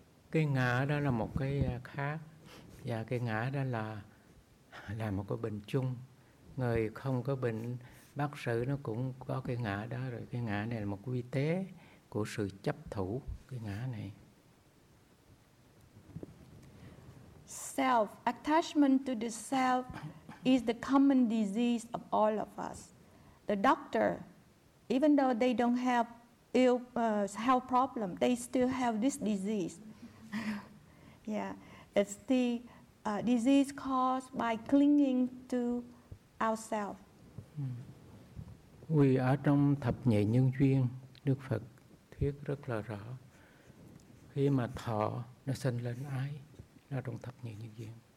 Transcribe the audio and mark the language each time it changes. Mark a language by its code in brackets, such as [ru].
[vi] Cái ngã đó là một cái khác, và cái ngã đó là một cái bệnh chung. Người không có bệnh, bác sĩ nó cũng có cái ngã đó rồi. Cái ngã này là một quy tế của sự chấp thủ, cái ngã này. [en] Self, attachment to the self is the common disease of all of us. The doctor, even though they don't have health problem, they still have this disease. Yeah, it's the disease caused by clinging to ourselves. [vi] Vì ở trong thập nhị nhân duyên, Đức Phật thuyết rất là rõ. Khi mà thọ nó sinh lên ái, nó trong thập nhị nhân duyên.